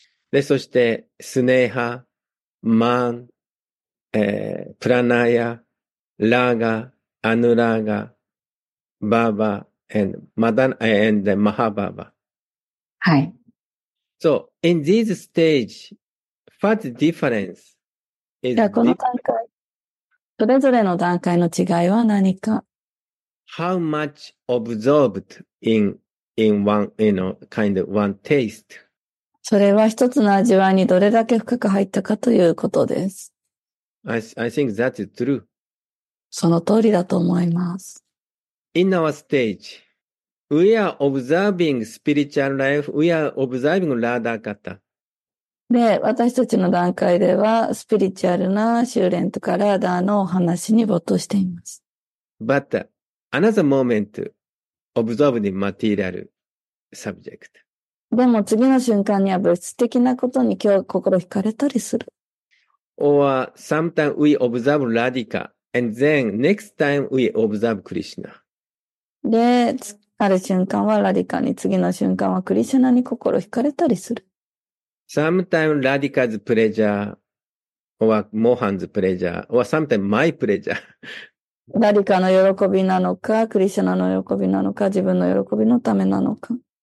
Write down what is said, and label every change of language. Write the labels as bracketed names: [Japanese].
[Japanese] で、そして、スネーハ、マン、プラナヤ、ラーガ、アヌラーガ、バーバ、マハバーバ。はい。 [English] So, in this stage, what difference is [Japanese] じゃあ、この段階。それぞれの段階の違いは何か。 [English] How much absorbed in one, you know, kind of one taste? [Japanese] それは一つの味わいにどれだけ深く入ったかということです。 [English] I think that's true. [Japanese] その通りだと思います。 [English] In our stage, we are observing spiritual life, we are observing Radha Katha. [Japanese] で、私たちの段階では、スピリチュアルな修練とかラーダーのお話に没頭しています。 [English] But,Another moment, observe the material subject. [Japanese] でも次の瞬間には物質的なことに今日心惹かれたりする。 [English] Or sometimes we observe Radhika, and then next time we observe Krishna. [Japanese] で、ある瞬間はラディカに、次の瞬間はクリシュナに心惹かれたりする。 [English] Sometimes Radhika's pleasure or Mohan's pleasure or sometimes my pleasure. [Japanese] ラディカの喜びなのか、クリシュナの喜びなのか、自分の喜びのためなのか。